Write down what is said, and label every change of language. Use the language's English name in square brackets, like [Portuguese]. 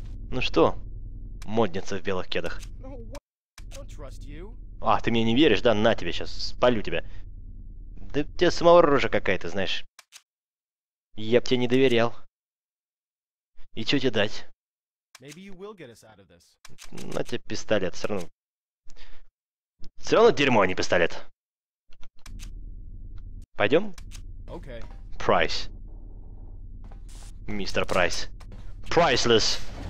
[Russian] Ну что, модница в белых кедах? А, ты мне не веришь, да? На тебе сейчас, спалю тебя. Да у тебя самого рожа какая-то, знаешь. Я б тебе не доверял. И чё тебе дать? [English] Maybe you will get us out of this. [Russian] На тебе пистолет, всё равно. Всё равно дерьмо, а не пистолет. Пойдём? [English] Okay. Price. Мистер Price. Priceless!